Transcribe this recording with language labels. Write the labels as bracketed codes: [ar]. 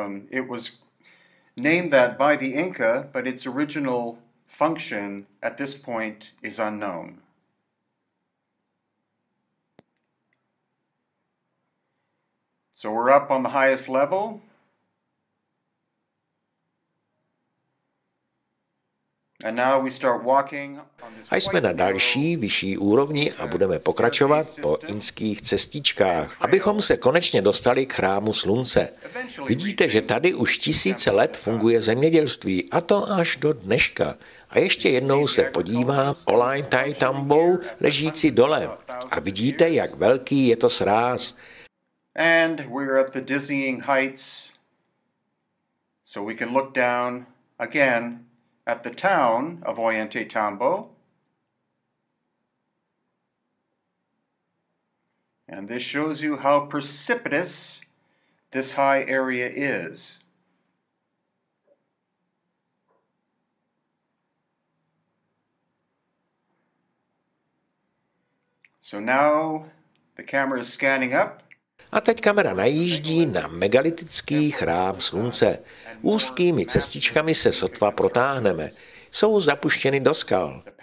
[en] It was named that by the Inca, but its original function at this point is unknown. So we're up on the highest level. And now we start walking on this. [cs] A jsme na další, vyšší úrovni a budeme pokračovat po inských cestičkách, abychom se konečně dostali k chrámu slunce. Vidíte, že tady už tisíce let funguje zemědělství, a to až do dneška. A ještě jednou se podívám, Ollantay Tambo ležící dole. A vidíte, jak velký je to sráz. [en] And we're at the dizzying heights, so we can look down again at the town of Ollantay Tambo. And this shows you how precipitous this high area is. So now the camera is scanning up. [cs] A teď kamera najíždí na megalitický chrám slunce. Úzkými cestičkami se sotva protáhneme. Jsou zapuštěny do skal.